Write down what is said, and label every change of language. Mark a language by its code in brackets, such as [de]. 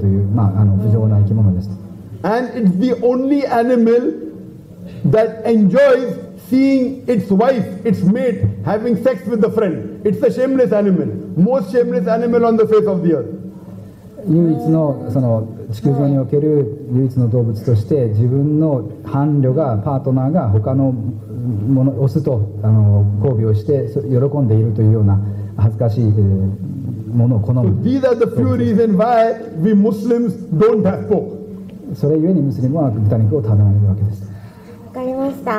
[ja] 今日の科学でよく知られていることですけど、豚肉は泥や汚物を食べるという不浄な生き物です。 [en] And it's the only animal that enjoys seeing its wife, its mate, having sex with a friend. It's a shameless animal. Most shameless animal on the face of the earth. [ja] 唯一のその地球上における唯一の動物として自分の伴侶がパートナーが他のものオスと交尾をして喜んでいるというような恥ずかしいものを好む。 [en] So these are the few reasons why we Muslims don't have pork. [ja] それゆえにムスリムは豚肉を食べないわけです。